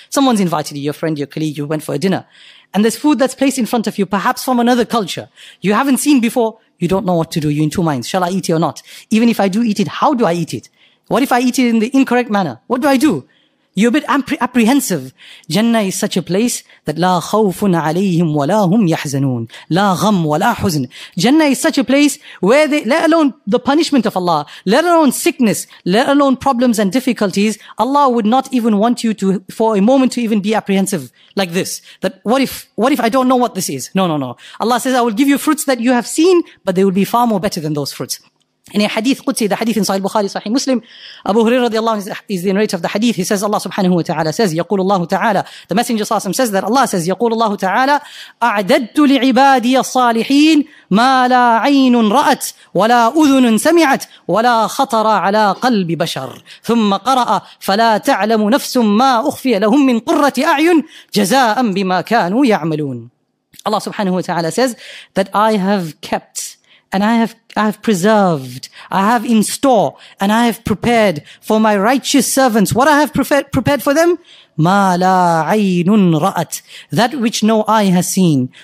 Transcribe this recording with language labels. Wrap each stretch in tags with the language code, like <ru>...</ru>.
<en>Someone's invited you, your friend, your colleague, you went for a dinner, and there's food that's placed in front of you, perhaps from another culture, you haven't seen before. You don't know what to do. You're in two minds. Shall I eat it or not? Even if I do eat it, how do I eat it? What if I eat it in the incorrect manner? What do I do? You're a bit apprehensive. Jannah is such a place that</en> <ar>لا خوف عليهم ولا هم يحزنون لا غم ولا حزن.</ar> <en>Jannah is such a place where they, let alone the punishment of Allah, let alone sickness, let alone problems and difficulties, Allah would not even want you to, for a moment, to even be apprehensive like this. That what if I don't know what this is? No. Allah says, I will give you fruits that you have seen, but they will be far more better than those fruits. In a hadith Qudsi, the hadith in Sahih Bukhari, Sahih Muslim, Abu Hurairah radiallahu anhu is the narrator of the hadith. He says, Allah subhanahu wa ta'ala says,</en> <ar>يقول الله تعالى,</ar> <en>the Messenger صلى الله عليه وسلم says that Allah says, يقول الله تعالى,</en> <ar>أعددت لعبادي الصالحين ما لا عين رأت ولا أذن سمعت ولا خطر على قلب بشر ثم قرأ فلا تعلم نفس ما أخفي لهم من قرة أعين جزاء بما كانوا يعملون.</ar> <en>Allah subhanahu wa ta'ala says that I have kept and I have preserved, I have in store, and I have prepared for my righteous servants what I have prepared for them.</en> <ar>مَا لَا عَيْنٌ رَأَتْ,</ar> <en>that which no eye has seen.</en>